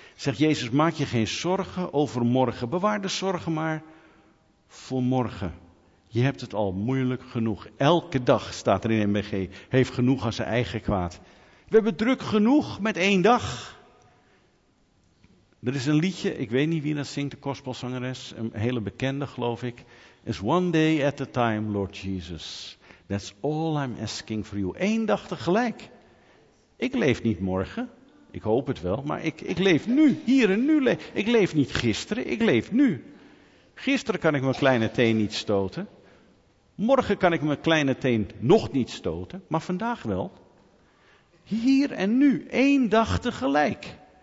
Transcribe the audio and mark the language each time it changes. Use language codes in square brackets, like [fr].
[nl] Zegt Jezus, maak je geen zorgen over morgen. Bewaar de zorgen maar voor morgen. Je hebt het al moeilijk genoeg. Elke dag, staat er in MBG, heeft genoeg aan zijn eigen kwaad. We hebben druk genoeg met één dag. Er is een liedje, ik weet niet wie dat zingt, de gospelzangeres, een hele bekende geloof ik. [en] It's one day at a time, Lord Jesus. That's all I'm asking for you. [nl] Eén dag tegelijk. Ik leef niet morgen. Ik hoop het wel, maar ik leef nu. Hier en nu. Ik leef niet gisteren, ik leef nu. Gisteren kan ik mijn kleine teen niet stoten. Morgen kan ik mijn kleine teen nog niet stoten. Maar vandaag wel. Hier en nu. Één dag tegelijk.